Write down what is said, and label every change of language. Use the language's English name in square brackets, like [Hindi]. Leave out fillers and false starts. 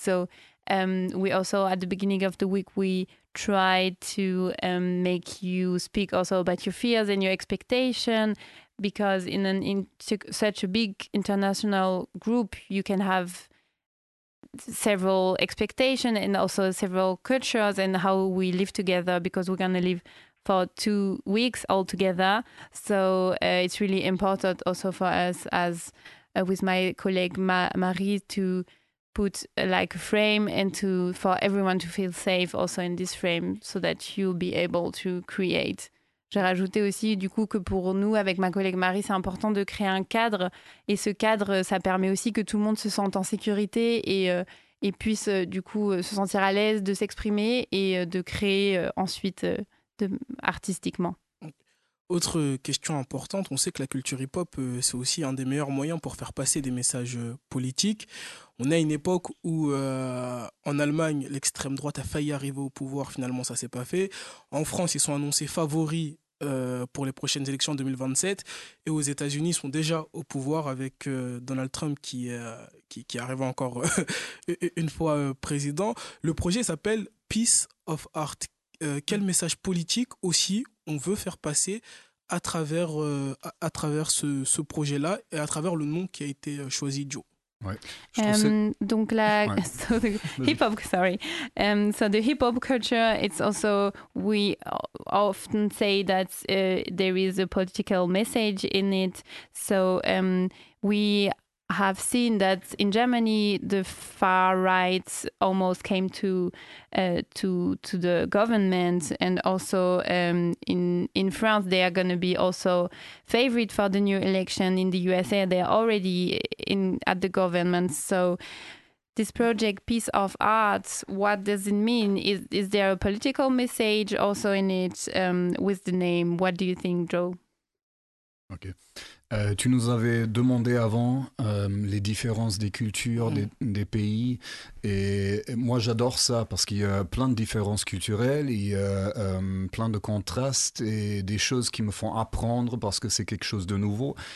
[English] So we also, at the beginning of the week, we tried to make you speak also about your fears and your expectation, because in such a big international group, you can have several expectations and also several cultures and how we live together, because we're going to live for 2 weeks all together. So it's really important also for us, as with my colleague Marie, to put like a frame and to for everyone to feel safe also in this frame, so that you'll be able to create. [French] J'ai rajouté aussi du coup que pour nous, avec ma collègue Marie, c'est important de créer un cadre, et ce cadre, ça permet aussi que tout le monde se sente en sécurité et puisse du coup se sentir à l'aise de s'exprimer et de créer ensuite artistiquement. Autre question importante, on sait que la culture hip-hop, c'est aussi un des meilleurs moyens pour faire passer des messages politiques. On a une époque où, en Allemagne, l'extrême droite a failli arriver au pouvoir, finalement ça ne s'est pas fait. En France, ils sont annoncés favoris pour les prochaines élections 2027. Et aux États-Unis, ils sont déjà au pouvoir avec Donald Trump qui arrive encore une fois président. Le projet s'appelle Peace of Art. Quel message politique aussi on veut faire passer à travers ce projet-là et à travers le nom qui a été choisi, Joe? Ouais. Donc la hip hop, [English] sorry. So the hip hop culture, it's also, we often say that there is a political message in it. So we have seen that in Germany the far right almost came to the government, and also in France they are going to be also favorite for the new election. In the USA they are already at the government. So this project Peace of Art, what does it mean? Is there a political message also in it with the name? What do you think, Joe? Ok. [French] Tu nous avais demandé avant les différences des cultures, des pays, et moi j'adore ça parce qu'il y a plein de différences culturelles, il y a plein de contrastes et des choses qui me font apprendre parce que c'est quelque chose de nouveau.